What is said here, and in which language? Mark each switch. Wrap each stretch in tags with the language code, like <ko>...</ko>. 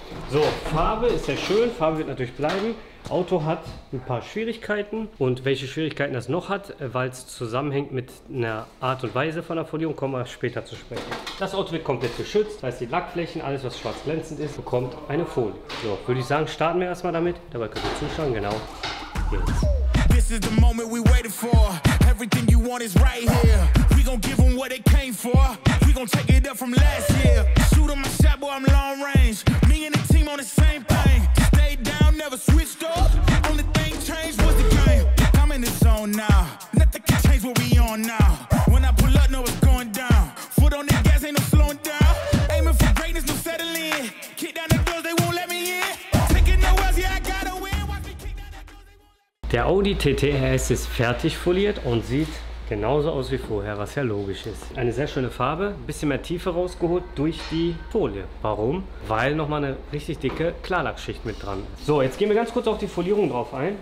<de>So, Farbe ist ja schön, Farbe wird natürlich bleiben. Auto hat ein paar Schwierigkeiten und welche Schwierigkeiten das noch hat, weil es zusammenhängt mit einer Art und Weise von der Folierung, kommen wir später zu sprechen. Das Auto wird komplett geschützt, das heißt die Lackflächen, alles was schwarz glänzend ist, bekommt eine Folie. So, würde ich sagen, starten wir erstmal damit. Dabei könnt ihr zuschauen, genau jetzt.</de> <en>This is the moment we waited for. Everything you want is right here. We gon' give them what they came for. We gon' take it up from last year. Shoot on my shot, boy, I'm long range. Me and the team on the same thing. Stay down, never switched up. Only thing changed was the game. I'm in the zone now. Nothing can change what we on now. When I pull up, know it's going down. Foot on the gas, ain't no slowing down. Aiming for greatness, no settling. Kick down the doors, they won't let me in. Taking no L's, yeah, I got.</en> <de>Der Audi TTRS ist fertig foliert und sieht genauso aus wie vorher, was ja logisch ist. Eine sehr schöne Farbe, ein bisschen mehr Tiefe rausgeholt durch die Folie. Warum? Weil nochmal eine richtig dicke Klarlackschicht mit dran ist. So, jetzt gehen wir ganz kurz auf die Folierung drauf ein.</de>